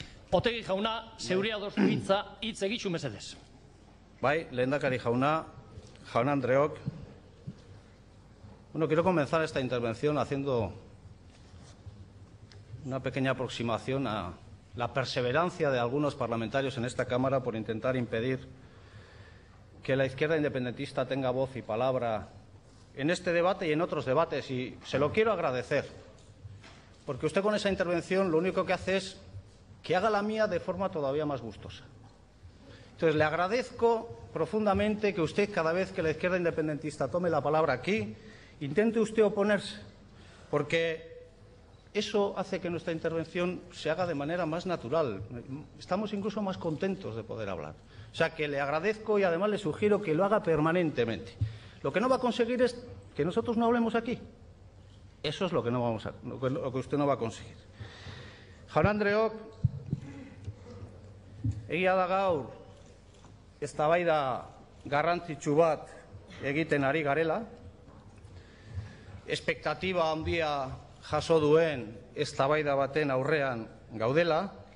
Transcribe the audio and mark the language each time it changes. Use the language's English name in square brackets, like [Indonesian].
[Basque] Otegi jauna, seguridad dos hitza, hitz egitxu mesedez. Bai, lehendakari jauna, jaun andreok. [Spanish] Bueno, quiero comenzar esta intervención haciendo una pequeña aproximación a la perseverancia de algunos parlamentarios en esta Cámara por intentar impedir que la izquierda independentista tenga voz y palabra en este debate y en otros debates, y se lo quiero agradecer, porque usted con esa intervención lo único que hace es que haga la mía de forma todavía más gustosa. Entonces, le agradezco profundamente que usted, cada vez que la izquierda independentista tome la palabra aquí, intente usted oponerse, porque eso hace que nuestra intervención se haga de manera más natural. Estamos incluso más contentos de poder hablar. O sea, que le agradezco y además le sugiero que lo haga permanentemente. Lo que no va a conseguir es que nosotros no hablemos aquí. Eso es lo que usted no va a conseguir. [Basque] Jaun andreok, egia da gaur eztabaida garrantzitsu bat egiten ari garela. Expectativa handia jaso duen eztabaida baten aurrean gaudela.